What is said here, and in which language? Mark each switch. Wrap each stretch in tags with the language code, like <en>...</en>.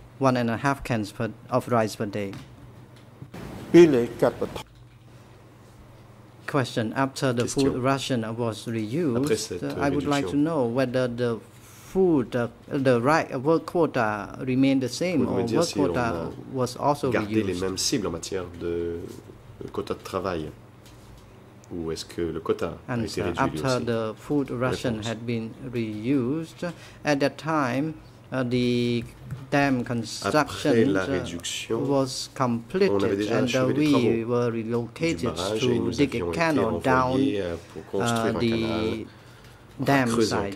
<en>One and a half cans of rice per day. Question. After the food ration was reused, I would like to know whether the food, the right work quota remained the same, or work quota was also reduced.</en> <fr>Garder les mêmes cibles en matière de quota de travail, ou est-ce que le quota a été réduit?</fr> <en>After the food ration had been reused, at that time, the dam construction was completed, and we were relocated to dig a canal down the dam site.</en>